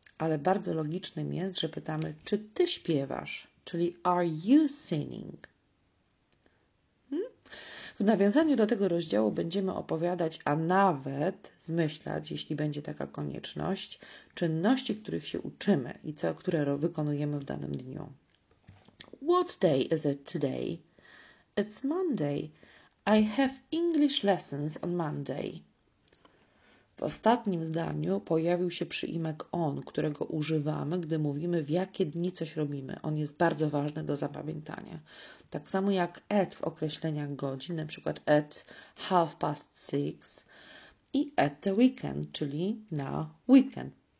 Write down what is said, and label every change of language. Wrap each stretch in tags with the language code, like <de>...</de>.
<pl>Ale bardzo logicznym jest, że pytamy, czy ty śpiewasz, czyli</pl> <en>are you singing?</en> <pl>W nawiązaniu do tego rozdziału będziemy opowiadać, a nawet zmyślać, jeśli będzie taka konieczność, czynności, których się uczymy i co, które wykonujemy w danym dniu.</pl> <en>What day is it today? It's Monday. I have English lessons on Monday.</en> <pl>W ostatnim zdaniu pojawił się przyimek on, którego używamy, gdy mówimy, w jakie dni coś robimy. On jest bardzo ważny do zapamiętania. Tak samo jak at w określeniach godzin, na przykład at 6:30 i</pl> <en>at the weekend,</en> <pl>czyli na weekend.</pl>